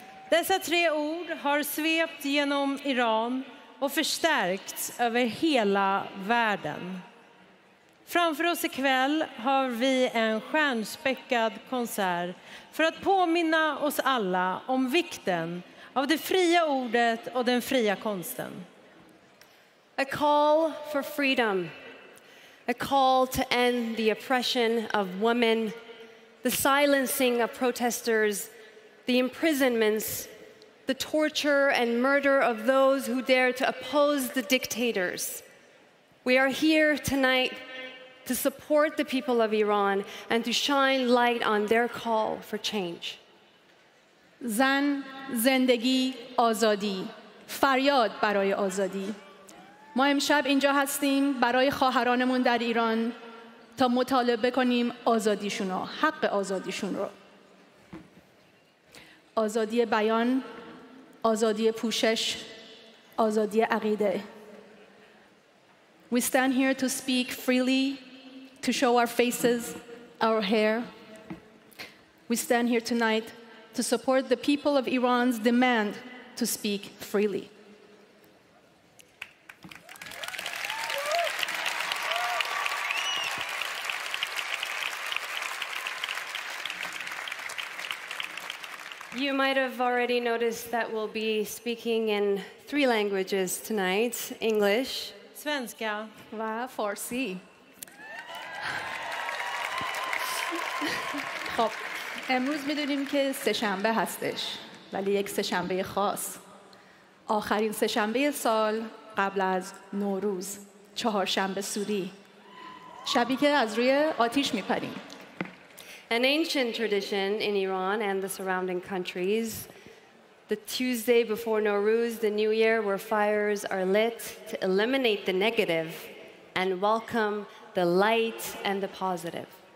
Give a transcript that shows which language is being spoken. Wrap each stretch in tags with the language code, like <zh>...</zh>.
<sv>Dessa tre ord har svept genom Iran och förstärkts över hela världen. Framför oss ikväll har vi en stjärnspäckad konsert för att påminna oss alla om vikten av det fria ordet och den fria konsten.</sv> <en>A call for freedom. A call to end the oppression of women, the silencing of protesters, the imprisonments, the torture and murder of those who dare to oppose the dictators. We are here tonight to support the people of Iran and to shine light on their call for change.</en> <fa>Zan, zendegi, azadi. Faryad baraye azadi. ما امشب اینجا هستیم برای خواهرانمون در ایران تا مطالبه کنیم آزادیشون رو، حق آزادیشون رو. آزادی بیان، آزادی پوشش، آزادی عقیده.</fa> <en>We stand here to speak freely, to show our faces, our hair. We stand here tonight to support the people of Iran's demand to speak freely. You might have already noticed that we'll be speaking in three languages tonight: English,</en> <sv>svenska,</sv> <fa>va farsi. خب امروز می‌دونیم که سه‌شنبه هستش، ولی یک سه‌شنبه خاص. آخرین سه‌شنبه سال قبل از نوروز، چهارشنبه سوری. شبی که از روی آتش می‌پریم.</fa> <en>An ancient tradition in Iran and the surrounding countries, the Tuesday before Nowruz, the new year, where fires are lit to eliminate the negative and welcome the light and the positive.</en>